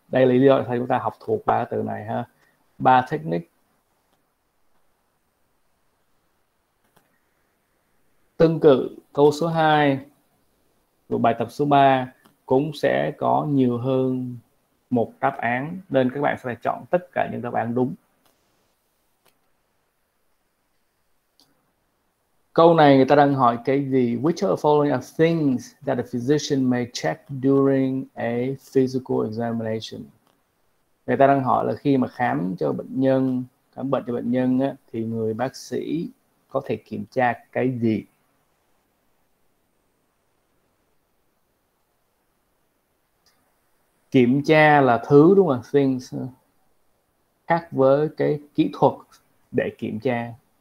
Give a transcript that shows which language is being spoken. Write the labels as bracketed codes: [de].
[vi] Đây là lý do thầy chúng ta học thuộc ba từ này ha. Ba technique tương cự câu số 2 của bài tập số 3 cũng sẽ có nhiều hơn một đáp án, nên các bạn sẽ phải chọn tất cả những đáp án đúng. Câu này người ta đang hỏi cái gì? [en] Which of the following are things that a physician may check during a physical examination? [vi] Người ta đang hỏi là khi mà khám bệnh cho bệnh nhân á, thì người bác sĩ có thể kiểm tra cái gì? Kiểm tra là thứ đúng không? Things khác với cái kỹ thuật để kiểm tra.